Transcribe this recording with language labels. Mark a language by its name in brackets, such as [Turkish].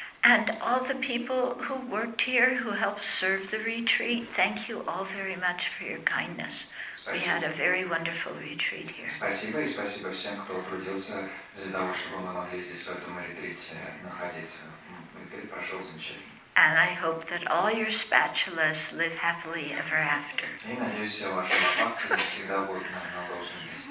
[English] And all the people who worked here, who helped serve the retreat, thank you all very much for your kindness. [Russian] Спасибо. [English] We had a very wonderful retreat here. [Russian] Спасибо, и спасибо всем, кто трудился для того, чтобы мы могли здесь, в этом ретрите, находиться. Ретрит прошел замечательно. [English] And I hope that all your spatulas live happily ever after. [Russian] И надеюсь, все ваши факты всегда будут намного лучше.